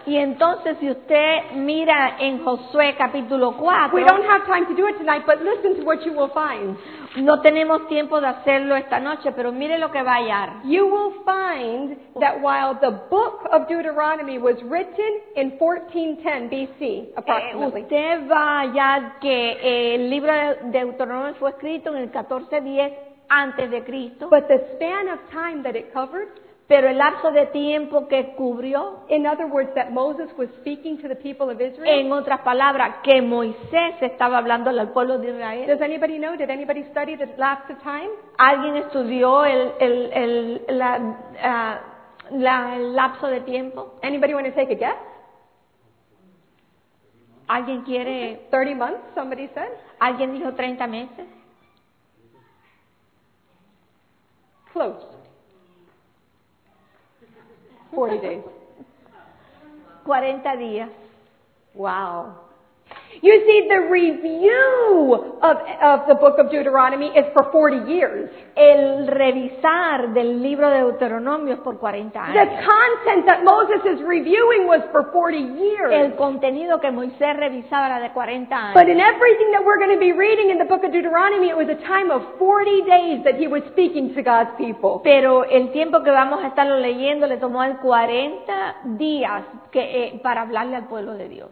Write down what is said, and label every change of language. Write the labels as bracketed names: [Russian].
[Spanish] Y entonces si usted mira en Josué capítulo 4. [English] We don't have time to do it tonight, but listen to what you will find. [Spanish] No tenemos tiempo de hacerlo esta noche, pero mire lo que va a hallar. [English] You will find that while the book of Deuteronomy was written in 1410 BC, approximately. [Spanish] Usted va a hallar que el libro de Deuteronomio fue escrito en el 1410 antes de Cristo. [English] But the span of time that it covered, [Spanish] pero el lapso de tiempo que cubrió, [English] in other words, that Moses was speaking to the people of Israel, [Spanish] en otras palabras, que Moisés estaba hablando al pueblo de Israel. [English] Does anybody know? Did anybody study the lapse of time? [Spanish] ¿Alguien estudió el lapso de tiempo? [English] Anybody want to take a guess? [Spanish] ¿Alguien quiere? [English] 30 months, somebody said. [Spanish] ¿Alguien dijo 30 meses? [English] Close. 40 days. [Spanish] 40 días. [English] Wow. You see, the review of the book of Deuteronomy is for 40 years. [Spanish] El revisar del libro de Deuteronomio es por 40 años. [English] The content that Moses is reviewing was for 40 years. [Spanish] El contenido que Moisés revisaba era de 40 años. [English] But in everything that we're going to be reading in the book of Deuteronomy, it was a time of 40 days that he was speaking to God's people. [Spanish] Pero el tiempo que vamos a estarlo leyendo le tomó 40 días para hablarle al pueblo de Dios.